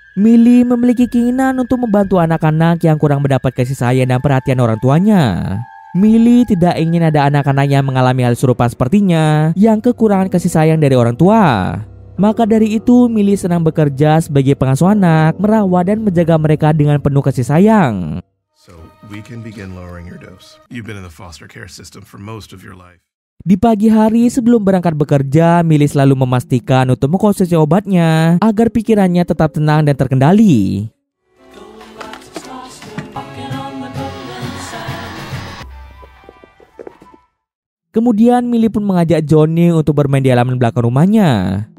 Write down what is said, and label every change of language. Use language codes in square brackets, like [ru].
[id] Millie memiliki keinginan untuk membantu anak-anak yang kurang mendapat kasih sayang dan perhatian orang tuanya. Millie tidak ingin ada anak-anak yang mengalami hal serupa sepertinya yang kekurangan kasih sayang dari orang tua. Maka dari itu, Millie senang bekerja sebagai pengasuh anak, merawat dan menjaga mereka dengan penuh kasih sayang. [en] So, we can begin lowering your dose. You've been in the foster care system for most of your life. [id] Di pagi hari sebelum berangkat bekerja, Millie selalu memastikan untuk mengkonsumsi obatnya agar pikirannya tetap tenang dan terkendali. Kemudian Millie pun mengajak Johnny untuk bermain di halaman belakang rumahnya.